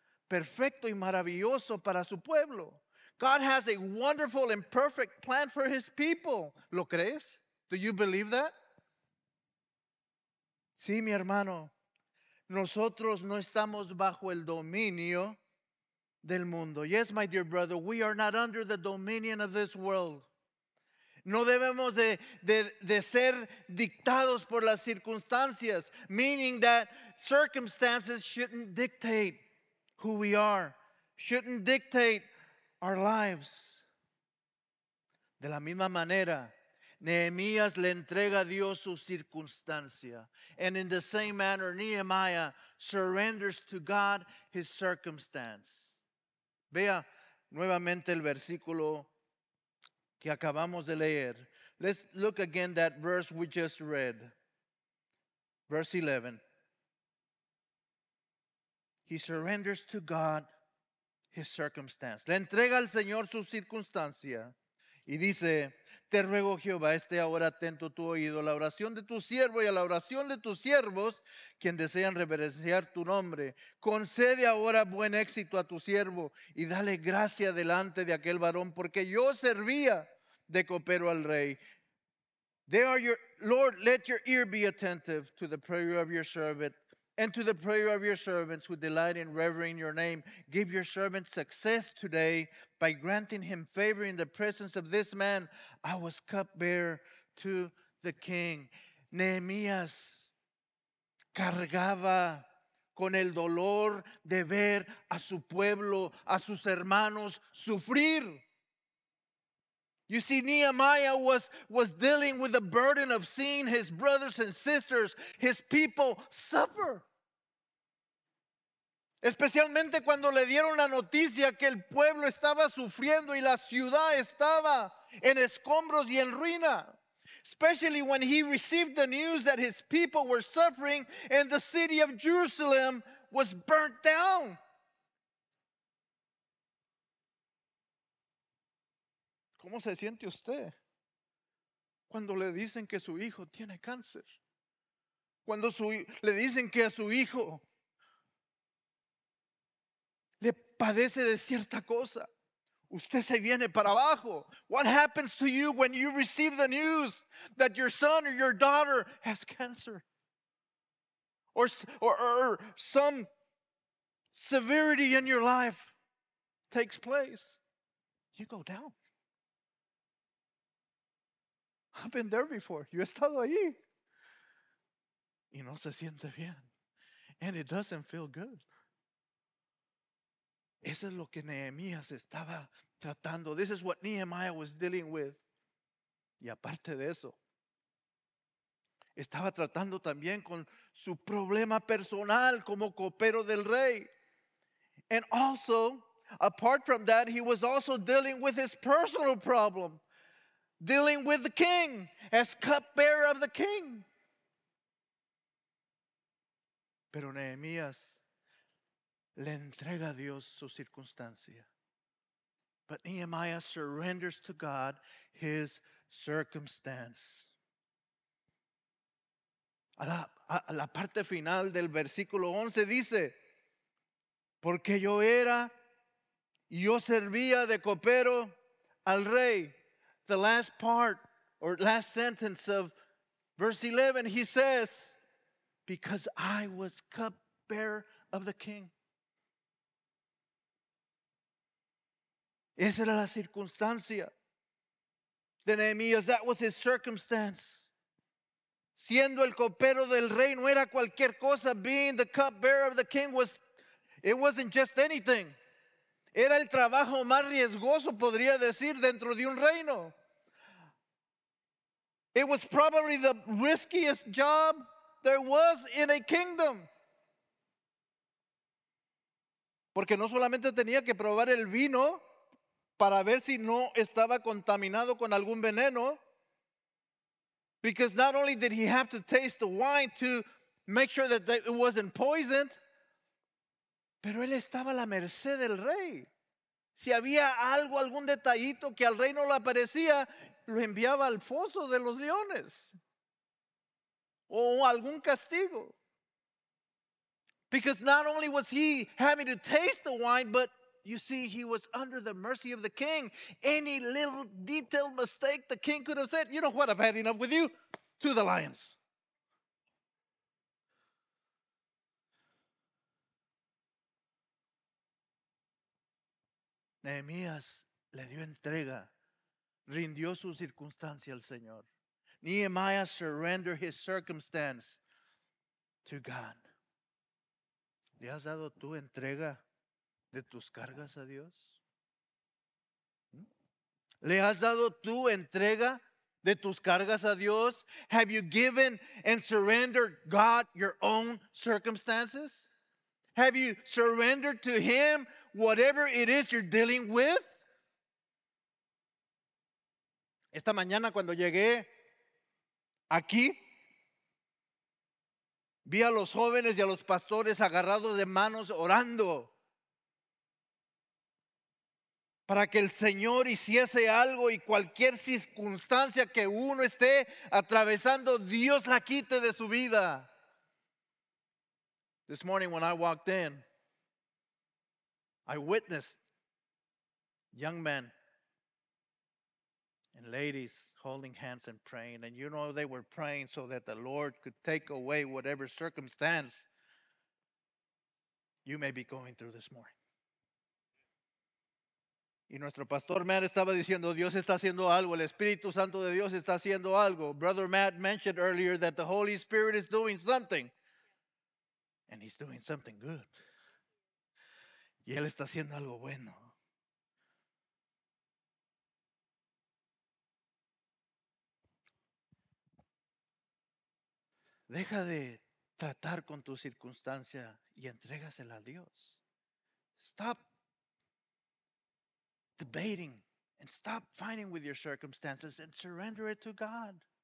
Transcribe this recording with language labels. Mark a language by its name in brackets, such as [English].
[Spanish] perfecto y maravilloso para su pueblo. [English] God has a wonderful and perfect plan for his people. [Spanish] ¿Lo crees? [English] Do you believe that? [Spanish] Sí, mi hermano. Nosotros no estamos bajo el dominio del mundo. [English] Yes, my dear brother, we are not under the dominion of this world. [Spanish] No debemos de ser dictados por las circunstancias, [English] meaning that circumstances shouldn't dictate who we are, shouldn't dictate our lives. [Spanish] De la misma manera, Nehemías le entrega a Dios su circunstancia. [English] And in the same manner, Nehemiah surrenders to God his circumstance. [Spanish] Vea nuevamente el versículo que acabamos de leer. [English] Let's look again that verse we just read. Verse 11. He surrenders to God his circumstance. [Spanish] Le entrega al Señor su circunstancia y dice, te ruego Jehová, esté ahora atento tu oído a la oración de tu siervo y a la oración de tus siervos, quien desean reverenciar tu nombre. Concede ahora buen éxito a tu siervo y dale gracia delante de aquel varón, porque yo servía de copero al rey. [English] Lord, let your ear be attentive to the prayer of your servant and to the prayer of your servants who delight in revering your name. Give your servant success today by granting him favor in the presence of this man. I was cupbearer to the king. [Spanish] Nehemías cargaba con el dolor de ver a su pueblo, a sus hermanos, sufrir. [English] You see, Nehemiah was dealing with the burden of seeing his brothers and sisters, his people, suffer. [Spanish] Especialmente cuando le dieron la noticia que el pueblo estaba sufriendo y la ciudad estaba en escombros y en ruina. [English] Especially when he received the news that his people were suffering and the city of Jerusalem was burnt down. [Spanish] ¿Cómo se siente usted cuando le dicen que su hijo tiene cáncer? Cuando le dicen que a su hijo le padece de cierta cosa. Usted se viene para abajo. [English] What happens to you when you receive the news that your son or your daughter has cancer? Or some severity in your life takes place. You go down. I've been there before. [Spanish] Yo he estado ahí. Y no se siente bien. [English] And it doesn't feel good. [Spanish] Eso es lo que Nehemías estaba tratando. [English] This is what Nehemiah was dealing with. [Spanish] Y aparte de eso, estaba tratando también con su problema personal como copero del rey. [English] And also, apart from that, he was also dealing with his personal problem. Dealing with the king as cupbearer of the king. [Spanish] Pero Nehemías le entrega a Dios su circunstancia. [English] But Nehemiah surrenders to God his circumstance. [Spanish] A la parte final del versículo 11 dice, porque yo era y yo servía de copero al rey. [English] The last part or last sentence of verse 11, he says, because I was cupbearer of the king. [Spanish] Esa era la circunstancia de Nehemías. [English] That was his circumstance. [Spanish] Siendo el copero del rey, no era cualquier cosa. [English] Being the cupbearer of the king was, it wasn't just anything. [Spanish] Era el trabajo más riesgoso, podría decir, dentro de un reino. [English] It was probably the riskiest job there was in a kingdom. [Spanish] Porque no solamente tenía que probar el vino para ver si no estaba contaminado con algún veneno. [English] Because not only did he have to taste the wine to make sure that it wasn't poisoned, [Spanish] pero él estaba a la merced del rey. Si había algo, algún detallito que al rey no le parecía, lo enviaba al foso de los leones. O algún castigo. [English] Because not only was he having to taste the wine, but you see, he was under the mercy of the king. Any little detailed mistake, the king could have said, you know what, I've had enough with you, to the lions. [Spanish] Nehemías le dio entrega, rindió su circunstancia al Señor. [English] Nehemiah surrendered his circumstance to God. [Spanish] ¿Le has dado tu entrega de tus cargas a Dios? ¿Le has dado tu entrega de tus cargas a Dios? [English] Have you given and surrendered God your own circumstances? Have you surrendered to him whatever it is you're dealing with? [Spanish] Esta mañana cuando llegué aquí, vi a los jóvenes y a los pastores agarrados de manos orando para que el Señor hiciese algo y cualquier circunstancia que uno esté atravesando, Dios la quite de su vida. [English] This morning when I walked in, I witnessed young men and ladies holding hands and praying. And you know they were praying so that the Lord could take away whatever circumstance you may be going through this morning. [Spanish] Y nuestro pastor Matt estaba diciendo, Dios está haciendo algo. El Espíritu Santo de Dios está haciendo algo. [English] Brother Matt mentioned earlier that the Holy Spirit is doing something. And he's doing something good. [Spanish] Y él está haciendo algo bueno. Deja de tratar con tu circunstancia y entrégasela a Dios. [English] Stop debating and stop fighting with your circumstances and surrender it to God.